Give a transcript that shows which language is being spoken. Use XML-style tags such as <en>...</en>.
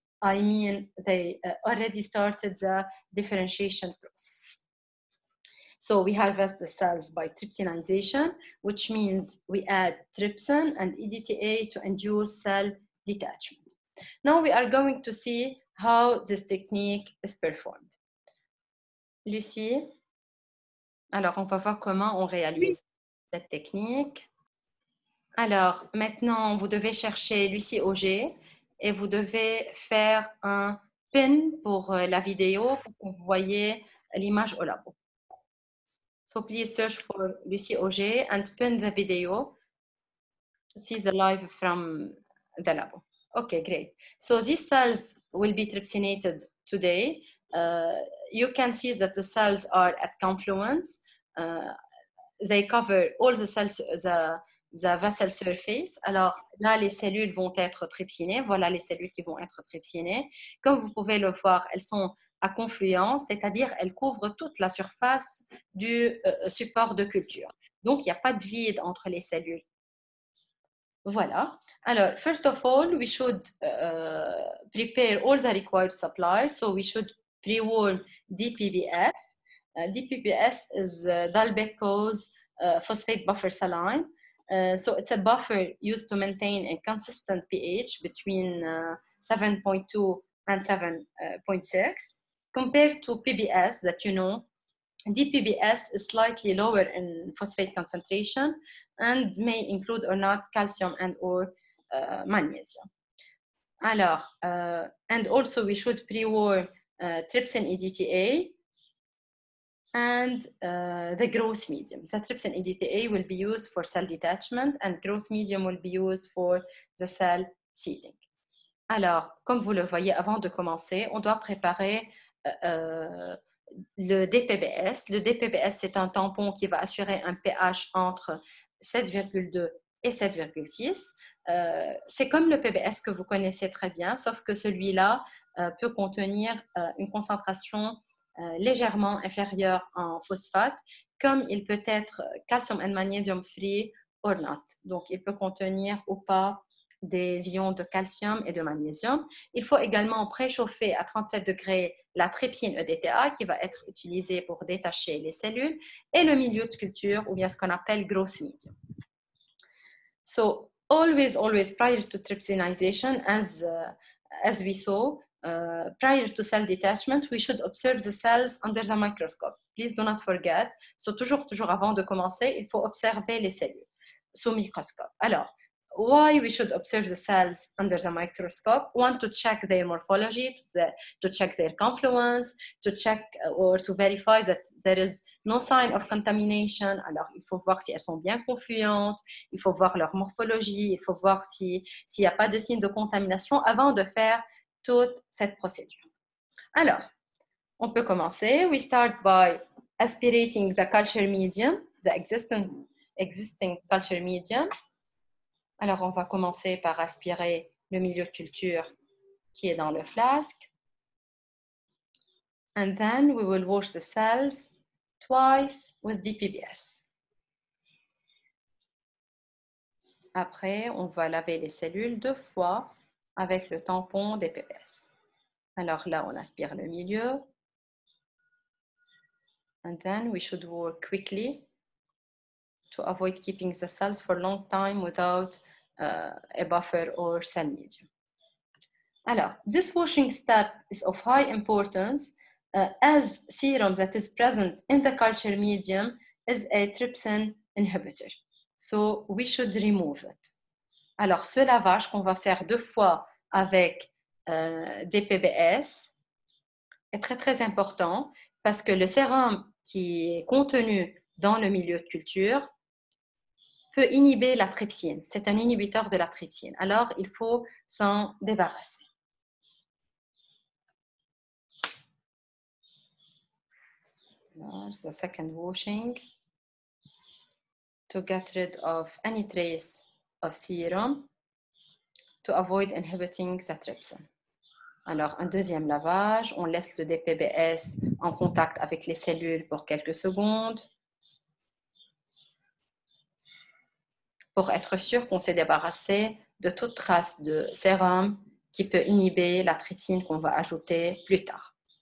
<en>I mean, they already started the differentiation process. So we harvest the cells by trypsinization, which means we add trypsin and EDTA to induce cell detachment. Now we are going to see how this technique is performed.</en> <fr>Lucie, alors on va voir comment on réalise cette technique. Alors, maintenant, vous devez chercher Lucie Auger et vous devez faire un pin pour la vidéo pour que vous voyez l'image au labo.</fr> <en>So, please search for Lucie Auger and pin the video to see the live from the labo. Okay, great. So, these cells will be trypsinated today. You can see that the cells are at confluence. They cover all the cells, the vessel surface.</en> <fr>Alors là, les cellules vont être trypsinées. Voilà les cellules qui vont être trypsinées. Comme vous pouvez le voir, elles sont à confluence, c'est-à-dire elles couvrent toute la surface du support de culture. Donc, il n'y a pas de vide entre les cellules. Voilà.</fr> <en>Alors, first of all, we should prepare all the required supplies. So we should pre-warm DPBS. DPBS is Dalbeco's phosphate buffer saline. So it's a buffer used to maintain a consistent pH between 7.2 and 7.6. Compared to PBS that you know, DPBS is slightly lower in phosphate concentration and may include or not calcium and or magnesium. Alors, and also we should pre-warm trypsin EDTA and the growth medium. The trypsin EDTA will be used for cell detachment and growth medium will be used for the cell seeding.</en> <fr>Alors, comme vous le voyez, avant de commencer, on doit préparer le DPBS. Le DPBS, c'est un tampon qui va assurer un pH entre 7,2 et 7,6. C'est comme le PBS que vous connaissez très bien, sauf que celui-là peut contenir une concentration légèrement inférieure en phosphate, comme il peut être</fr> <en>calcium and magnesium free or not.</en> <fr>Donc, il peut contenir ou pas des ions de calcium et de magnésium. Il faut également préchauffer à 37 degrés la trypsine EDTA qui va être utilisée pour détacher les cellules et le milieu de culture ou bien ce qu'on appelle growth medium.</fr> <en>So, always, always prior to trypsinization, as we saw, prior to cell detachment, we should observe the cells under the microscope. Please do not forget.</en> <fr>So, toujours, toujours avant de commencer, il faut observer les cellules sous microscope.</fr> <en>Alors, why we should observe the cells under the microscope? One, to check their morphology, to check their confluence, to check or to verify that there is no sign of contamination.</en> <fr>Alors, il faut voir si elles sont bien confluentes, il faut voir leur morphologie, il faut voir s'il n'y a pas de signe de contamination avant de faire toute cette procédure. Alors, on peut commencer.</fr> <en>We start by aspirating the culture medium, the existing culture medium.</en> <fr>Alors, on va commencer par aspirer le milieu de culture qui est dans le flasque.</fr> <en>And then we will wash the cells twice with DPBS.</en> <fr>Après, on va laver les cellules deux fois avec le tampon DPBS. Alors là, on aspire le milieu.</fr> <en>And then we should work quickly to avoid keeping the cells for a long time without a buffer or cell medium. Alors, this washing step is of high importance as serum that is present in the culture medium is a trypsin inhibitor. So, we should remove it.</en> <fr>Alors, ce lavage qu'on va faire deux fois avec DPBS est très, très important parce que le sérum qui est contenu dans le milieu de culture peut inhiber la trypsine. C'est un inhibiteur de la trypsine. Alors, il faut s'en débarrasser.</fr> <en>Alors, the second washing to get rid of any trace of serum to avoid inhibiting the trypsin.</en> <fr>Alors, un deuxième lavage. On laisse le DPBS en contact avec les cellules pour quelques secondes. Pour être sûr qu'on s'est débarrassé de toute trace de sérum qui peut inhiber la trypsine qu'on va ajouter plus tard.</fr>